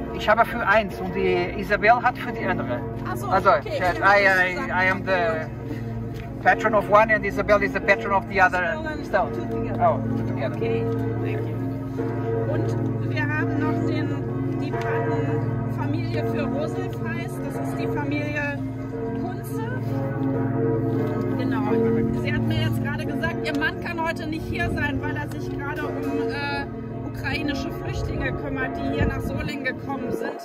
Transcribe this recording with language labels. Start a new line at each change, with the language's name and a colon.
German: Ich habe für eins und die Isabel hat für die andere. Also, okay.
English: I am the patron of one and Isabel is the patron of the other stone. Oh, okay. Thank you.
German: Und wir haben noch die Patenfamilie für Roselpreis. Das ist die Familie Kunze. Genau. Sie hat mir jetzt gerade gesagt, ihr Mann kann heute nicht hier sein, weil er sich gerade ukrainische Flüchtlinge kümmert, die hier nach Solingen gekommen sind.